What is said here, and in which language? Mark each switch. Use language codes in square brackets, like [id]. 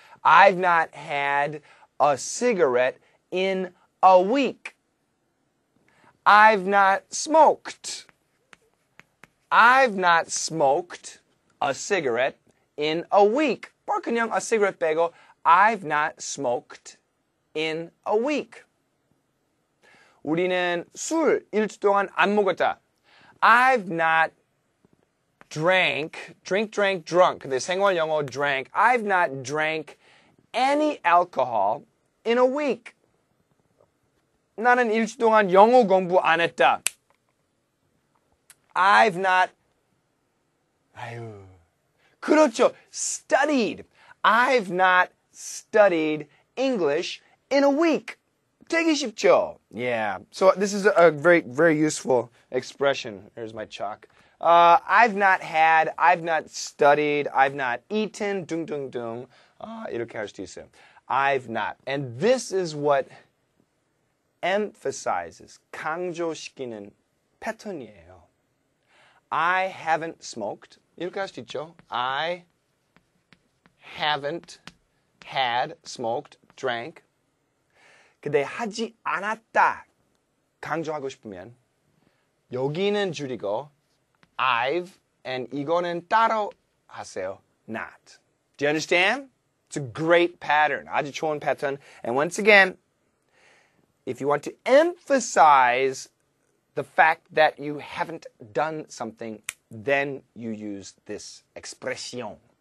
[en] I've not had a cigarette in a week. I've not smoked I've not smoked a cigarette in a week. [ko] 그냥 [en] a cigarette [ko] 빼고 [en] I've not smoked in a week. [ko] 우리는 술 일주 동안 안 먹었다. [en] I've not drunk. [ko] 근데 생활 영어 [en] drank. I've not drank any alcohol in a week. [ko] 나는 일주 동안 영어 공부 안 했다. [en] I've not [ko] 아유, 그렇죠. [en] Studied. I've not studied English in a week. [ko] 되게 쉽죠? [en] Yeah. So this is a very, very useful expression. Here's my chalk. I've not studied, I've not eaten, [ko] 둥둥둥. 이렇게 할 수도 있어요. [en] I've not. And this is what emphasizes, [ko] 강조시키는 패턴이에요. [en] I haven't smoked. [ko] 이렇게 할 수 있죠. [en] I haven't had, smoked, drank. [ko] 근데 하지 않았다 강조하고 싶으면 여기는 줄이고 [en] I've and [ko] 이거는 따로 하세요. [en] Not. Do you understand? It's a great pattern. [ko] 아주 좋은 [en] pattern. And once again, if you want to emphasize the fact that you haven't done something, then you use this expression.